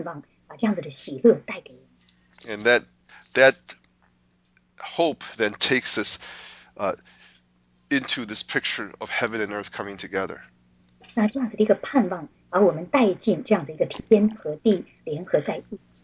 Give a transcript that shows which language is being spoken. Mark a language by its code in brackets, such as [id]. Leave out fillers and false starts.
[zh] 那个生命水的河是那样子的一个根源，这样子一个泉源，能够把这样子的盼望，把这样子的喜乐带给我们。 [en] And that hope then takes us into this picture of heaven and earth coming together. [zh] 那这样子的一个盼望，把我们带进这样的一个天和地联合在一起。